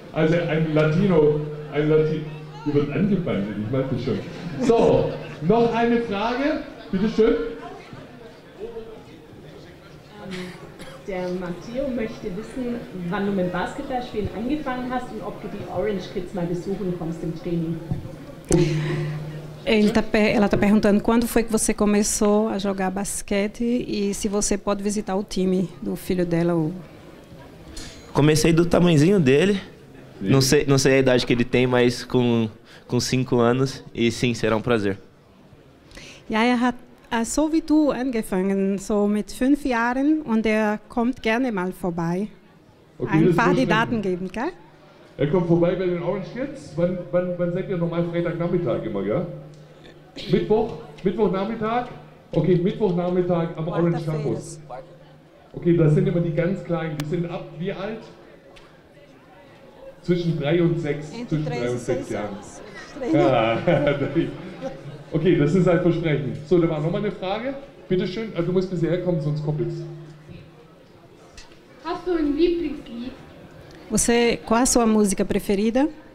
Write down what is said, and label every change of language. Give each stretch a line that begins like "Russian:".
German: Also ein Latino... Ihr wird angebandet, ich meinte schon. So. Noch eine Frage, bitte schön. Der Matteo möchte wissen, wann du mit Basketballspielen angefangen hast und ob du die Orange Kids mal besuchen kommst im Training.
Portuguese: Ela está perguntando quando foi que você começou a jogar basquete e se você pode visitar o time do filho dela. Comecei do tamanhozinho dele. Não sei a idade que ele tem, mas com 5 anos e sim, será um prazer.
German: Ja, er hat so wie du angefangen, so mit 5 Jahren und er kommt gerne mal vorbei. Okay, ein paar die Daten geben, gell? Er kommt vorbei bei den Orange Kids. Wann seid ihr nochmal? Freitagnachmittag immer, gell? Mittwochnachmittag? Okay, Mittwochnachmittag am Orange Campus. Okay, das sind immer die ganz Kleinen. Die sind ab wie alt? Zwischen 3 und 6. Zwischen 3 und 6 Jahren. Okay, das ist ein Versprechen. So, da war nochmal eine Frage. Bitte schön, du musst bisher herkommen, sonst koppelst. Hast du ein Lieblingslied?
Portuguese: Você, qual a sua música preferida?